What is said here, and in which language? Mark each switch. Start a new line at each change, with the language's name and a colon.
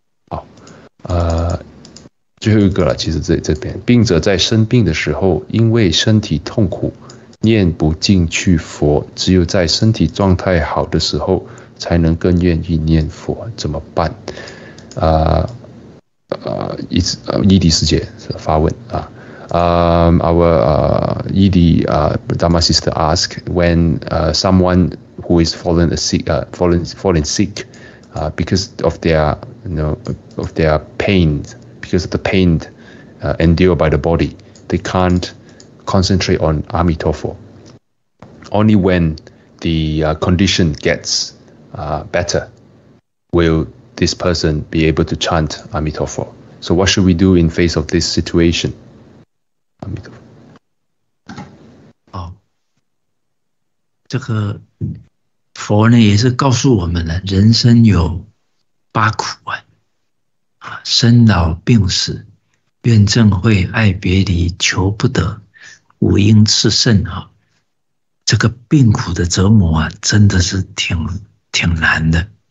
Chinese: 好，最后一个了。其实这边，病者在生病的时候，因为身体痛苦，念不进去佛，只有在身体状态好的时候，才能更愿意念佛。怎么办？ ED 师姐发问啊，
English: ED Dharma sister ask when someone who is fallen sick because of their you know of their pain because of the pain endured by the body they can't concentrate on Amitofo only when the condition gets better will this person be able to chant Amitofo. So what should we do in face of this situation?
Chinese: 这个佛呢也是告诉我们了，人生有八苦啊，生老病死，怨憎会，爱别离，求不得，五阴炽盛啊，这个病苦的折磨啊，真的是挺难的。